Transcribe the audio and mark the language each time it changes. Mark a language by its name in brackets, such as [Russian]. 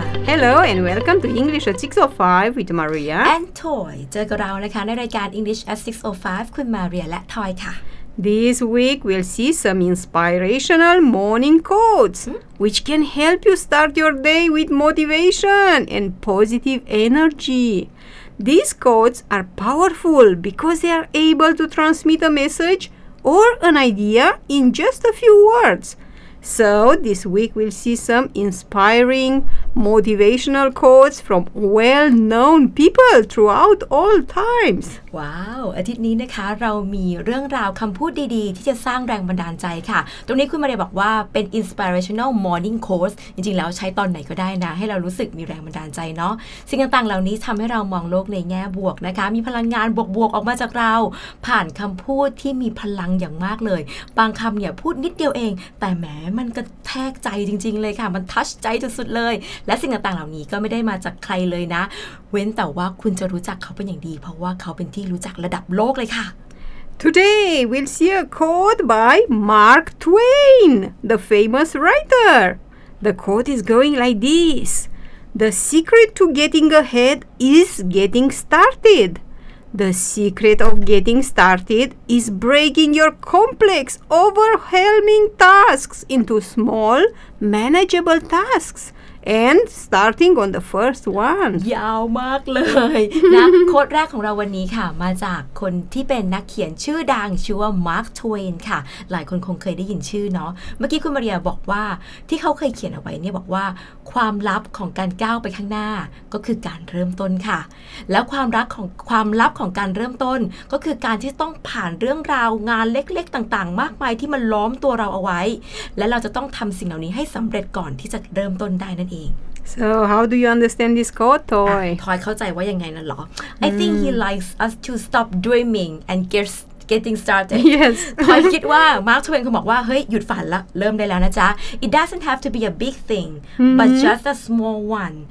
[English] Hello and welcome to English at 6:05 with Maria and Toy. [Thai] เจอกับเรานะคะในรายการ English at 6:05 คุณ Maria และ Toy ค่ะ [English] This week we'll see some inspirational morning quotes which can help you start your day with motivation and positive energy. These quotes are powerful because they are able to transmit a message or an idea in just a few words. So this week we'll see some inspiring motivational quotes from well-known people throughout all times. [Thai] Wow, อาทิตย์นี้นะคะเรามีเรื่องราวคำพูดดีๆที่จะสร้างแรงบันดาลใจค่ะตรงนี้คุณมาเรย์บอกว่าเป็น [English] inspirational morning quotes [Thai] จริงๆแล้วใช้ตอนไหนก็ได้นะให้เรารู้สึกมีแรงบันดาลใจเนาะสิ่งต่างๆเหล่านี้ทำให้เรามองโลกในแง่บวกนะคะมีพลังงานบวกๆออกมาจากเรา ผ่านคำพูดที่มีพลังอย่างมากเลยบางคำเนี่ยพูดนิดเดียวเองแต่แหมมันกระแทกใจจริงๆเลยค่ะมันทัชใจสุดๆเลยและสิ่งต่างๆเหล่านี้ก็ไม่ได้มาจากใครเลยนะเว้นแต่ว่าคุณจะรู้จักเขาเป็นอย่างดีเพราะว่าเขาเป็นที่รู้จักระดับโลกเลยค่ะ [English] Today we'll see a quote by Mark Twain, the famous writer. The quote is going like this: The secret to getting ahead is getting started. The secret of getting started is breaking your complex, overwhelming tasks into small, manageable tasks. And starting on the first one. [Thai] ยาวมากเลยนะโค้ดแรกของเราวันนี้ค่ะมาจากคนที่เป็นนักเขียนชื่อดังชื่อว่ามาร์คทเวนค่ะหลายคนคงเคยได้ยินชื่อเนาะเมื่อกี้คุณมาเรียบอกว่าที่เขาเคยเขียนเอาไว้เนี่ยบอกว่าความลับของการก้าวไปข้างหน้าก็คือการเริ่มต้นค่ะแล้วความลับของการเริ่มต้นก็คือการที่ต้องผ่านเรื่องราวงานเล็กๆต่างๆมากมายที่มันล้อมตัวเราเอาไว้และเราจะต้องทำสิ่งเหล่านี้ให้สำเร็จก่อนที่จะเริ่มต้นได้นั่นเอง [English] So, how do you understand this quote, Toy? Toy, [Thai] เข้าใจว่ายังไงนั่นหรอ [English] I think he likes us to stop dreaming and getting started. Yes. [Thai] Toy คิดว่า Mark Twain เขาบอกว่าเฮ้ยหยุดฝันละเริ่มได้แล้วนะจ๊ะ [English] It doesn't have to be a big thing, but just a small one.